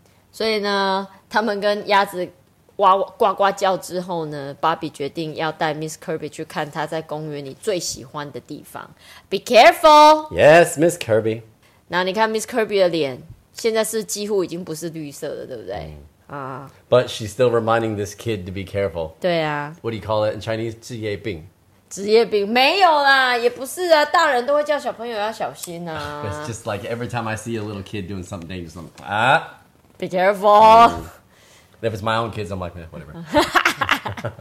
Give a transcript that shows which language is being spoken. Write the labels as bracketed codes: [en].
[zh] 所以呢，他们跟鸭子呱呱呱叫之后呢 ，Bobby 决定要带 Miss Kirby 去看他在公园里最喜欢的地方。 [en] Be careful. Yes, Miss Kirby. [zh] 那你看 Miss Kirby 的脸，现在是几乎已经不是绿色的，对不对？ [en] But she's still reminding this kid to be careful. [zh] 对啊。 [en] What do you call it in Chinese? 职业病。 [zh] 职业病没有啦，也不是啊。大人都会叫小朋友要小心啊。 [en] It's just like every time I see a little kid doing something dangerous, I'm like, be careful. If it's my own kids, I'm like, whatever.